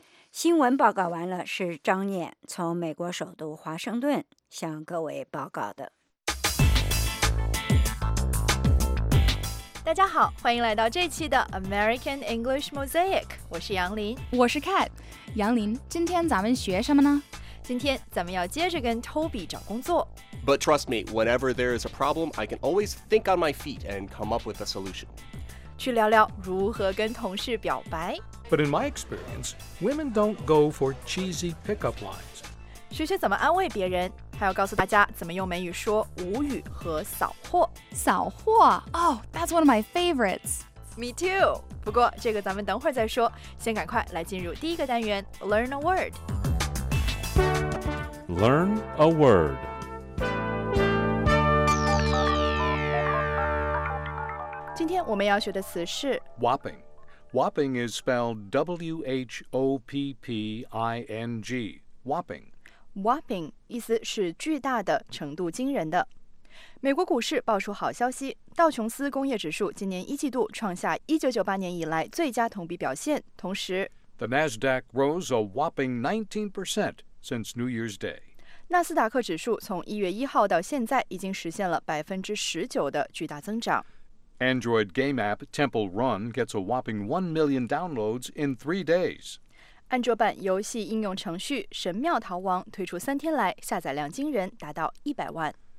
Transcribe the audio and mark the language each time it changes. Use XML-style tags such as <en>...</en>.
<zh>新闻报告完了，是张燕从美国首都华盛顿向各位报告的。大家好，欢迎来到这期的 American English Mosaic， 我是杨林。我是 Kat。杨林，今天咱们学什么呢？今天咱们要接着跟 Toby 找工作。</zh> <en>But trust me, whenever there is a problem, I can always think on my feet and come up with a solution.</en> <zh>去聊聊如何跟同事表白。</zh> <en>But in my experience, women don't go for cheesy pickup lines.</en> <zh>学学怎么安慰别人，还要告诉大家怎么用美语说无语和扫货。扫货？</zh> <en>Oh, that's one of my favorites. Me too.</en> <zh>不过这个咱们等会儿再说，先赶快来进入第一个单元</zh> <en>Learn a word. Learn a word.</en> <zh>今天我们要学的词是</zh> <en>whopping. Whopping is spelled W-H-O-P-P-I-N-G. Whopping.</en> <zh>Whopping 意思是巨大的，程度惊人的。美国股市爆出好消息，道琼斯工业指数今年一季度创下1998年以来最佳同比表现，同时</zh> <en>The Nasdaq rose a whopping 19% since New Year's Day.</en> <zh>纳斯达克指数从1月1号到现在已经实现了 19% 的巨大增长。</zh> <en>Android game app Temple Run gets a whopping 1 million downloads in 3 days.</en> <zh>安卓版游戏应用程序《神庙逃亡》推出三天来，下载量惊人，达到100万。</zh>